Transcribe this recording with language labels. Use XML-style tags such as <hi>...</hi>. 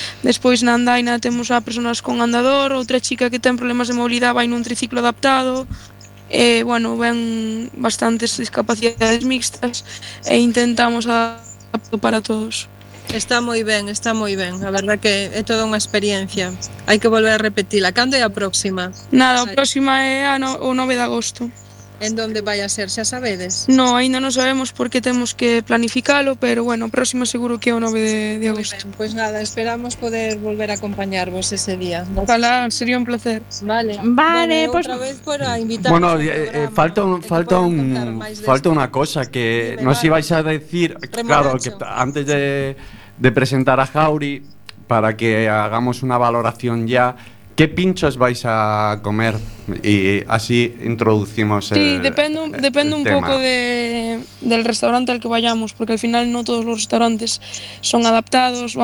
<gl>Despois na andaina temos a persoas con andador. Outra chica que ten problemas de movilidade vai nun triciclo adaptado. Bueno, ven bastantes discapacidades mixtas e intentamos adaptar para todos. Está moi ben, a verdad que é toda unha experiencia. Hai que volver a repetila. Cando é a próxima? Nada, a próxima é o 9 de agosto. En donde vai a ser, xa sabedes? No, ainda non sabemos porque temos que planificalo, pero bueno, a próxima seguro que é o 9 de agosto. Pois pues nada, esperamos poder volver a acompañarvos ese día.</gl> <es>Ojalá, sería un placer. Vale, bueno, pues...</es> <gl>Bueno, falta unha cosa que nos vale.</gl> <es>Ibais a decir, remolacho. Claro, que antes de presentar a Jauri, para que hagamos una valoración ya, ¿qué pinchos vais a comer? Y así introducimos el tema. Sí, depende un poco del restaurante al que vayamos, porque al final no todos los restaurantes son adaptados.</es>